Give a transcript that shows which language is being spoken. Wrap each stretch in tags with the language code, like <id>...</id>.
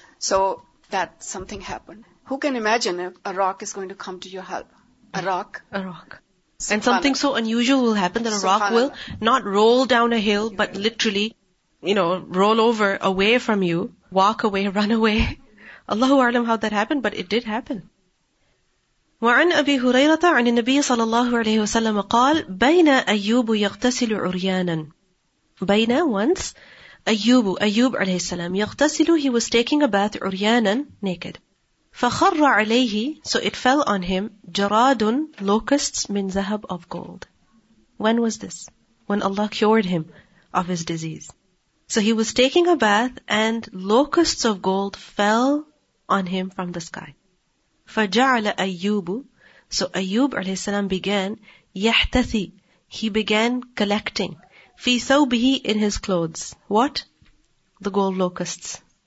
<en>So that something happened. Who can imagine if a rock is going to come to your help? A rock. And something so unusual will happen that a rock will not roll down a hill, but literally, you know, roll over away from you, walk away, run away. Allahu a'lam how that happened, but it did happen.</en> <ar>وعن أبي هريرة عن النبي صلى الله عليه وسلم قال بين أيوب يغتسل عريانا بين</ar> <en>once</en> <ar>أيوب عليه السلام يغتسل</ar> <en>he was taking a bath</en> <ar>عريانا</ar> <en>naked</en> <ar>فخر عليه</ar> <en>so it fell on him</en> <ar>جراد</ar> <en>locusts</en> <ar>من ذهب</ar> <en>of gold. When was this? When Allah cured him of his disease. So he was taking a bath and locusts of gold fell on him from the sky.</en> <ar>فَجَعْلَ</ar> <en>أَيُّوبُ So Ayyub a.s. began</en> <ar>يَحْتَثِ</ar> <en>He began collecting.</en> <ar>فِي ثَوْبِهِ</ar> <en>In his clothes. What? The gold locusts.</en>